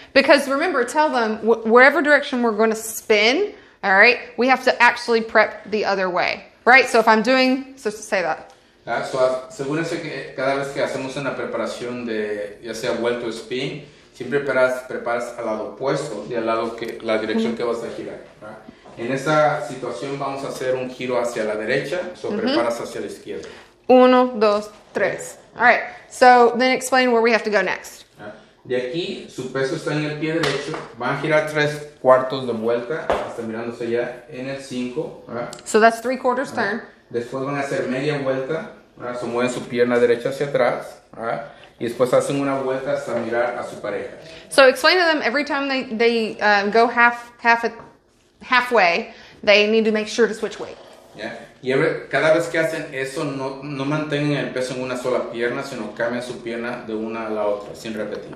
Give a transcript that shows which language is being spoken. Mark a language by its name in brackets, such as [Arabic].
[English] Because remember, tell them, whatever direction we're going to spin, all right, we have to actually prep the other way. Right? So, if I'm doing, so to say that. [Spanish] So, asegúrense que cada vez que hacemos una preparación de, ya sea vuelto o spin, siempre preparas al lado opuesto y al lado que, la dirección que vas a girar. [English] Right? [Spanish] En esa situación vamos a hacer un giro hacia la derecha, [English] so [Spanish] preparas hacia la izquierda. Uno, dos, tres. [English] All right, so then explain where we have to go next. [Spanish] De aquí, su peso está en el pie derecho, van a girar tres cuartos de vuelta, hasta mirándose ya en el cinco. [English] So that's three quarters turn. [Spanish] Después van a hacer media vuelta, [English] so [Spanish] mueven su pierna derecha hacia atrás, y después hacen una vuelta hasta mirar a su pareja. [English] So explain to them every time they go halfway, they need to make sure to switch weight. Yeah. [Spanish] Y [English] every, [Spanish] cada vez que hacen eso, no mantengan el peso en una sola pierna, sino cambian su pierna de una a la otra, sin repetir.